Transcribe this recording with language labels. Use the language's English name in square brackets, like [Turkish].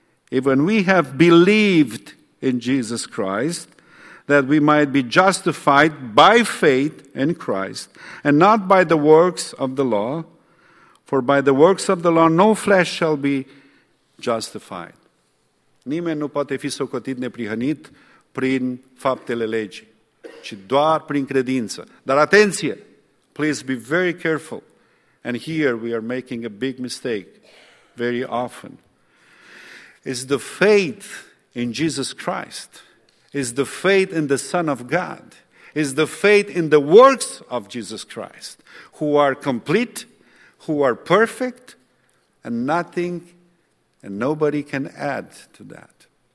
[English] Even we have believed in Jesus Christ, that we might be justified by faith in Christ, and not by the works of the law. For by the works of the law no flesh shall be justified. [Romanian] Nimeni nu poate fi socotit neprihănit prin faptele legii, ci doar prin credință. Dar atenție! [English] Please be very careful. And here we are making a big mistake very often. It's the faith in Jesus Christ. It's the faith in the Son of God. It's the faith in the works of Jesus Christ, who are complete, who are perfect, and nothing and nobody can add to that.